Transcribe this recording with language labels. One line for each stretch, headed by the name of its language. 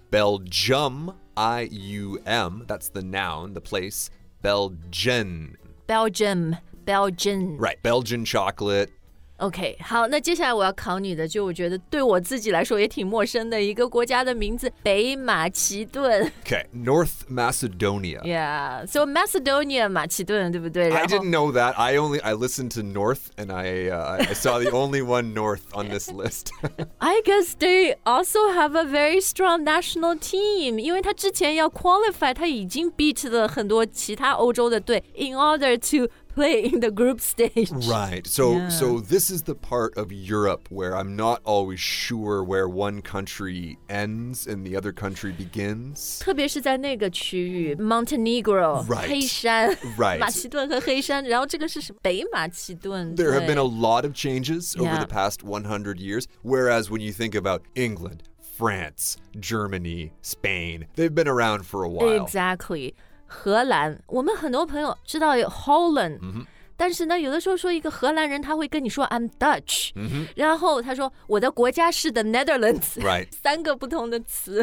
English: Belgium, I-U-M, that's the noun, the place. Belgian. Belgium. Belgian. Right, Belgian chocolate.
Chinese: Okay, 好那接下来我要考你的就我觉得对我自己来说也挺陌生的一个国家的名字北马其顿。
English: Okay, North Macedonia. Yeah, so Macedonia,
Chinese: 马其顿对不对
English: I didn't know that. I listened to North and I saw the only one North on this list. I guess they also have a very strong national team.
Chinese: 因为他之前要 qualify, 他已经 beat 了很多其他欧洲的队
English: in order toplay in the group stage. Right. So,、yeah. so this is the part of Europe where I'm not always sure where one country ends and the other country begins.
Chinese: 特别是在那个区域 Montenegro,
English: right.
Chinese: 黑山
English: right.
Chinese: 马其顿和黑山然后这个是什么北马其顿
English: There have been a lot of changes over、yeah. the past 100 years. Whereas when you think about England, France, Germany, Spain, they've been around for a while.
Chinese: Exactly. 荷兰我们很多朋友知道有 Holland、但是呢有的时候说一个荷兰人他会跟你说
English: I'm Dutch、
Chinese: 然后他说我的国家是 the Netherlands、三个不同的词